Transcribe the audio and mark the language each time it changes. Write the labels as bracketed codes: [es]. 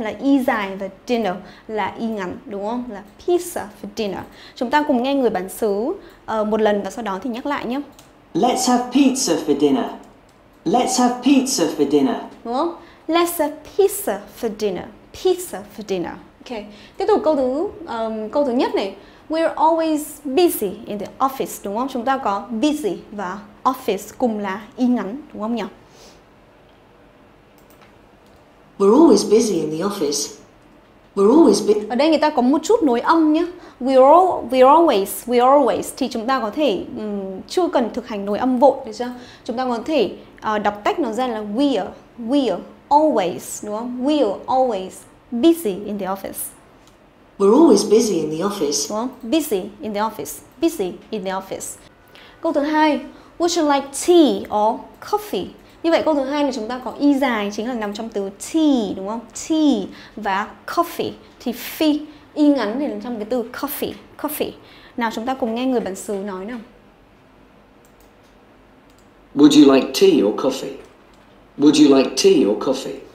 [vi] Là y dài và dinner là y ngắn, đúng không? Là [en] pizza for dinner. [vi] Chúng ta cùng nghe người bản xứ một lần và sau đó thì nhắc lại nhé. [en] Let's have pizza for dinner. Let's have pizza for dinner. [vi] Đúng không? [en] Let's have pizza for dinner. Pizza for dinner. Ok. [vi] Tiếp tục câu thứ nhất này. [en] We're always busy in the office, [vi] đúng không? Chúng ta có busy và office cùng là y ngắn, đúng không nhỉ? [en] We're always busy in the office. We're always [vi] ở đây người ta có một chút nối âm nhé. [en] We're always [vi] thì chúng ta có thể chưa cần thực hành nối âm vội, được chưa? Chúng ta có thể đọc tách nó ra là [en] we're always, [vi] đúng không? [en] We're always busy in the office. We're always busy in the office. [vi] Đúng không? [en] Busy in the office. Busy in the office. [vi] Câu thứ hai, [en] would you like tea or coffee? [vi] Như vậy câu thứ hai là chúng ta có y dài chính là nằm trong từ tea, đúng không? Tea và coffee thì phi y ngắn thì nằm trong cái từ coffee. Coffee. Nào chúng ta cùng nghe người bản xứ nói nào. [en] Would you like tea or coffee? Would you like tea or coffee?